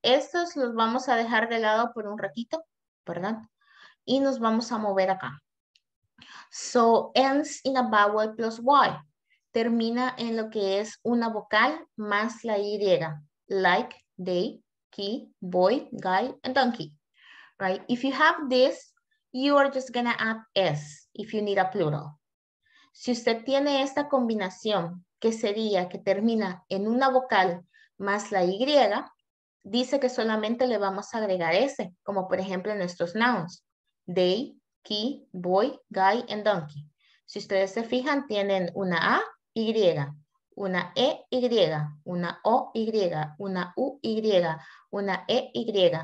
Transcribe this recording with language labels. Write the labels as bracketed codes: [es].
[es] Estos los vamos a dejar de lado por un ratito, ¿verdad? Y nos vamos a mover acá. [en] So, ends in a vowel plus Y. [es] Termina en lo que es una vocal más la Y. [en] Like, they, key, boy, guy, and donkey. Right? If you have this, you are just gonna add S if you need a plural. [es] Si usted tiene esta combinación, que sería que termina en una vocal más la Y, dice que solamente le vamos a agregar S, como por ejemplo en estos nouns. [en] They, key, boy, guy, and donkey. [es] Si ustedes se fijan, tienen una A, Y, una E, Y, una O, Y, una U, Y, una E, Y.